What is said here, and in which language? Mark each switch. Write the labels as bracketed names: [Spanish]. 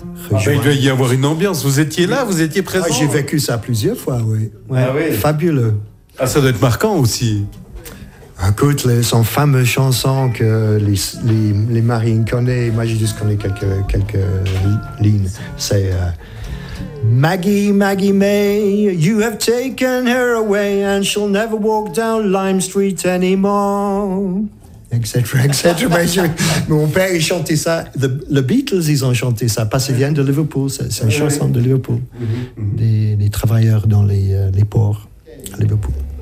[French] Il devait y avoir une ambiance. Vous étiez là, vous étiez présent. J'ai vécu ça plusieurs fois, oui. Ouais. Ah oui. Fabuleux. Ah, ça doit être marquant aussi. Écoute, son fameux chanson que les marines connaissent, moi j'ai juste connu quelques lignes. C'est [English] Maggie, Maggie May, you have taken her away and she'll never walk down Lime Street anymore. [French] Etc, etc. Mon père, il chantait ça. Les Beatles, ils ont chanté ça parce qu'ils viennent de Liverpool. C'est une chanson de Liverpool. Des travailleurs dans les ports à Liverpool.